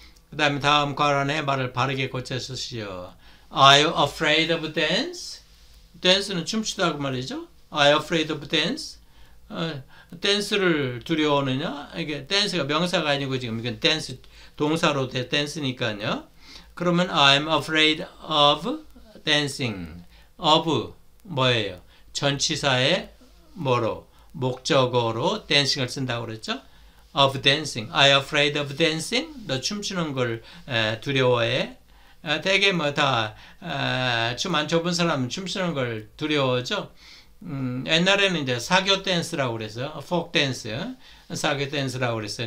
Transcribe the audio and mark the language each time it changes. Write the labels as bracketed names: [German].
[Korean] 그 다음에 다음 과란에 말을 바르게 고쳐 쓰시오. [English] Are you afraid of dance? [Korean] 댄스는 춤추다고 말이죠. [English] Are you afraid of dance? [Korean] 댄스를 두려워하느냐? 이게 댄스가 명사가 아니고 지금 이건 댄스 동사로 돼 댄스니까요. [English] 그러면 I'm afraid of dancing. [Korean] of 뭐예요? 전치사의 뭐로? 목적어로 댄싱을 쓴다고 그랬죠? [English] Of dancing. Are you afraid of dancing? [Korean] 너 춤추는 걸 두려워해? 대개 뭐다춤안 춰본 사람은 춤추는 걸 두려워하죠. 옛날에는 이제 사교 댄스라고 그랬어요. 폭 댄스, 사교 댄스라고 그랬어요.